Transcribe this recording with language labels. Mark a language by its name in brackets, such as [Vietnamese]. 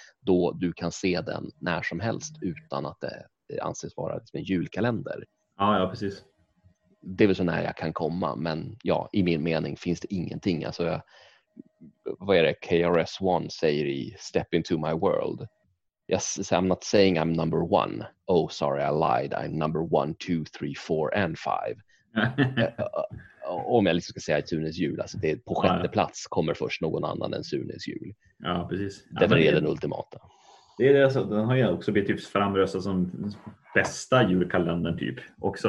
[Swedish] Då du kan se den när som helst utan att det anses vara liksom en julkalender. Ja, ja, precis. Det är väl så när jag kan komma. Men ja, i min mening finns det ingenting. Alltså, vad är det KRS-One säger i Step Into My World? [English] Yes, I'm not saying I'm number one. Oh, sorry, I lied. I'm number 1, 2, 3, 4 and 5. [Swedish] om jag liksom ska säga Sunes jul, alltså det är på 6:e plats kommer först någon annan än Sunes jul. Ja, precis. Det ja, är den ultimata. Det är det, alltså, den har ju också blivit typ framröstad som bästa julkalendern typ också.